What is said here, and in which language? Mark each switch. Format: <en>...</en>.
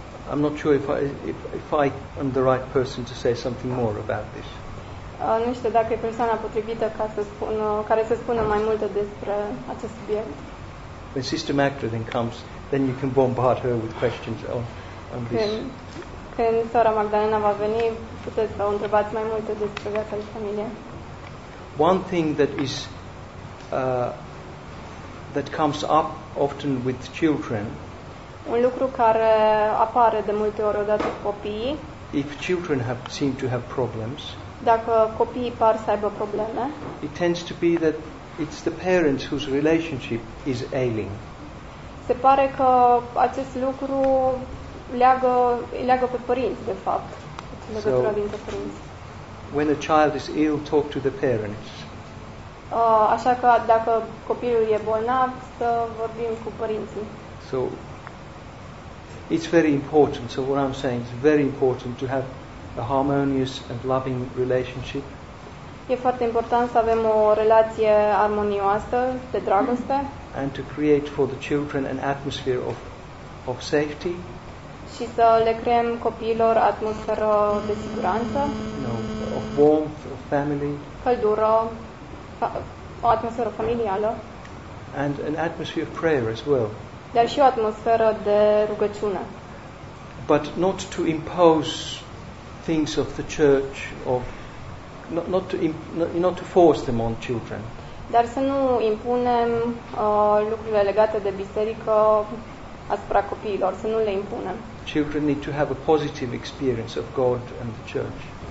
<en>I'm not sure if I am the right person to say something more about this.</en> <ro>Nu știu dacă e persoana potrivită ca să spună care să spună mai multe despre acest subiect.</ro> <en>When Sister Magdalene comes, then you can bombard her with questions on this.</en> <ro>Când sora Magdalena va veni, puteți să o întrebați mai multe despre viața de familie.</ro> <en>One thing that is that comes up often with children.</en> <ro>Un lucru care apare de multe ori odată cu copiii.</ro> <en>If children have seem to have problems,</en> <ro>dacă copiii par să aibă probleme,</ro> <en>it tends to be that it's the parents whose relationship is ailing.</en> <ro>Se pare că acest lucru leagă pe părinți, de fapt, legătura dintre părinți.</ro> <en>When a child is ill, talk to the parents.</en> <ro>Așa că dacă copilul e bolnav, să vorbim cu părinții.</ro> <en>So it's very important. So what I'm saying is very important to have a harmonious and loving relationship.</en> <ro>E foarte important să avem o relație armonioasă de dragoste.</ro> <en>And to create for the children an atmosphere of safety.</en> <ro>Și să le creăm copiilor atmosferă de siguranță.</ro> <en>Of warmth, of family.</en> <ro>Căldură, o atmosferă familială.</ro> <en>And an atmosphere of prayer as well.</en> <ro>Dar și o atmosferă de rugăciune.</ro> <en>But not to impose things of the church, of not to force them on children.</en> <ro>Dar să nu impunem lucrurile legate de biserică asupra copiilor, să nu le impunem.</ro> <en>Children need to have a positive experience of God and the church.</en>